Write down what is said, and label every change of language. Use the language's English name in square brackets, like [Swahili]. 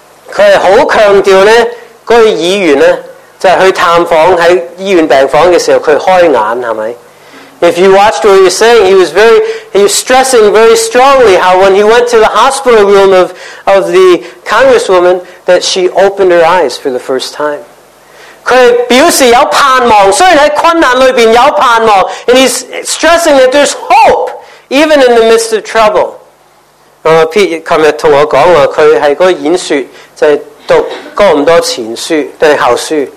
[Chinese] 他是很强调呢，那个议员呢，就是去探访在医院病房的时候，他开眼，是吗？ [English] If you watched what he was saying, he was stressing very strongly how when he went to the hospital room of the congresswoman, that she opened her eyes for the first time. [Chinese] 他表示有盼望，虽然在困难里面有盼望， [English] and he's stressing that there's hope even in the midst of trouble. [Chinese] Pete 昨天跟我说了，他在那个演说就是读哥林多前书对后书，